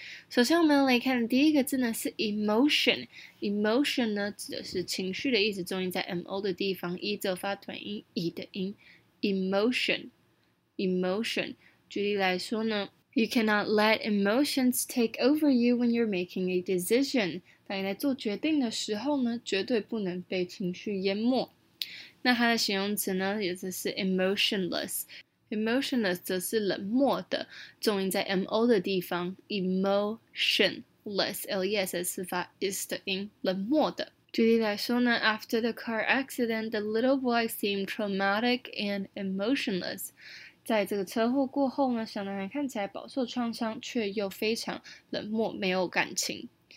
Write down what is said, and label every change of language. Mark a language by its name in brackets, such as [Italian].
[Chinese] 首先，我们来看第一个字呢是 emotion。emotion 呢指的是情绪的意思，重音在 mo 的地方，一则发短音 e 的音。 emotion， emotion。 举例来说呢。 [English] You cannot let emotions take over you when you're making a decision. [Chinese] 当你在做决定的时候呢，绝对不能被情绪淹没。那它的形容词呢，也就是 emotionless。emotionless 则是冷漠的，重音在 mo 的地方。 emotionless， l-e-s-s 发 is 的音，冷漠的。举例来说呢 [English] ，After the car accident, the little boy seemed traumatic and emotionless. [Chinese] 在这个车祸过后呢，小男孩看起来饱受创伤，却又非常冷漠，没有感情。